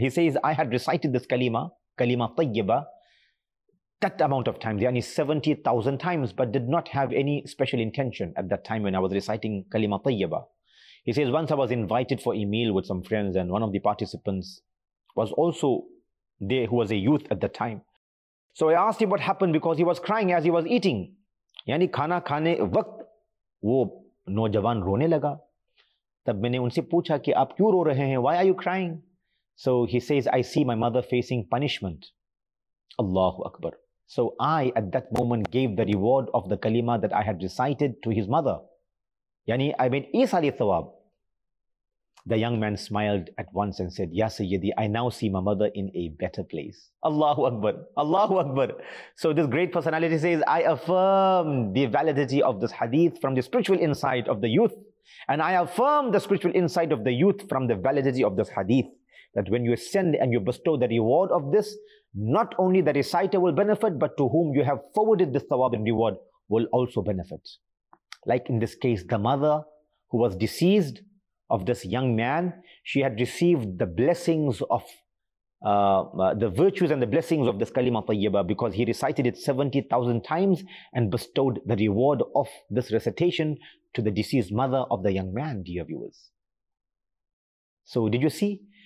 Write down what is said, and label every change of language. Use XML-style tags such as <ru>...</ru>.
<en>He says, I had recited this kalima tayyiba, that amount of times, yani 70,000 times, but did not have any special intention at that time when I was reciting kalima tayyiba. He says, once I was invited for a meal with some friends, and one of the participants was also there, who was a youth at the time. So I asked him what happened, because he was crying as he was eating.</en> <hi>Yani khana khane waqt wo nojawan rone laga. तब मैंने उनसे पूछा कि आप क्यों रो रहे हैं,</hi> <en>Why are you crying? So he says I see my mother facing punishment. अल्लाहु अकबर. So I at that moment gave the reward of the कलीमा that I had recited to his mother, यानी I made ईसा अलैहि सलाम. The young man smiled at once and said, या सय्यदी, I now see my mother in a better place.</en> <ar>अल्लाहु अकबर, अल्लाहु अकबर.</ar> <en>So this great personality says, I affirm the validity of this हदीथ from the spiritual insight of the youth. And I affirm the spiritual insight of the youth from the validity of this hadith, that when you ascend and you bestow the reward of this, not only the reciter will benefit, but to whom you have forwarded this thawab and reward will also benefit. Like in this case, the mother who was deceased of this young man, she had received the blessings of the virtues and the blessings of this kalima tayyiba, because he recited it 70,000 times and bestowed the reward of this recitation to the deceased mother of the young man, dear viewers. So did you see?</en>